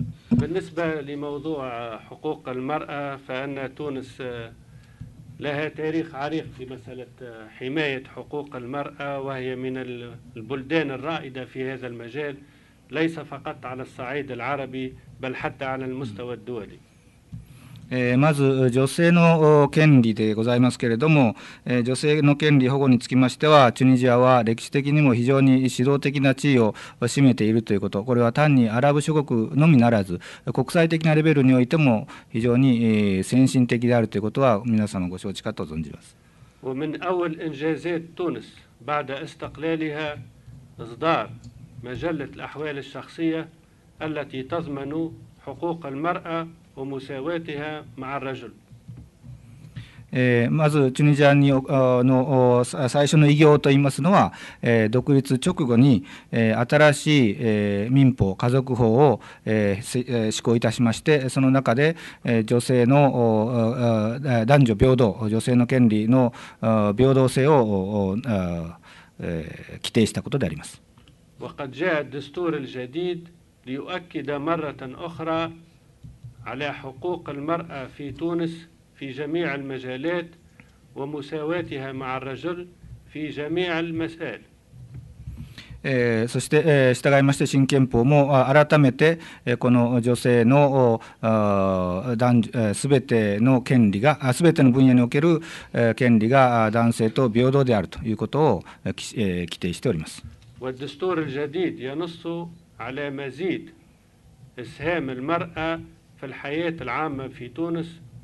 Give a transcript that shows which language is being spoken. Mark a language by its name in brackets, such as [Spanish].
[Arabic] بالنسبة لموضوع حقوق المرأة فأن تونس لها تاريخ عريق في مسألة حماية حقوق المرأة وهي من البلدان الرائدة في هذا المجالليس فقط على الصعيد العربي بل حتى على المستوى الدولي。 [Japanese] まず女性の権利でございますけれども、女性の権利保護につきましてはチュニジアは歴史的にも非常に指導的な地位を占めているということ、これは単にアラブ諸国のみならず国際的なレベルにおいても非常に先進的であるということは皆様ご承知かと存じます。 [Arabic] ومن أول إنجازات تونس بعد استقلالها إصدار مجلة الأحوال الشخصية التي تضمن حقوق المرأة ومساواتها مع الرجل。 [Japanese] まずチュニジアにの最初の偉業といいますのは、独立直後に新しい民法家族法を施行いたしまして、その中で女性の男女平等、女性の権利の平等性を規定したことであります。 [Arabic] وقد جاء الدستور الجديد ليؤكد مرة أخرى على حقوق المرأة في تونسفي جميع المجالات ومساواتها مع الرجل في جميع المسائل。 [Japanese] そして従いまして新憲法も改めてこの女性の男すべての権利が、すべての分野における権利が男性と平等であるということを規定しております。 [Arabic] والدستور الجديد ينص على مزيد إسهام المرأة في الحياة العامة في تونس。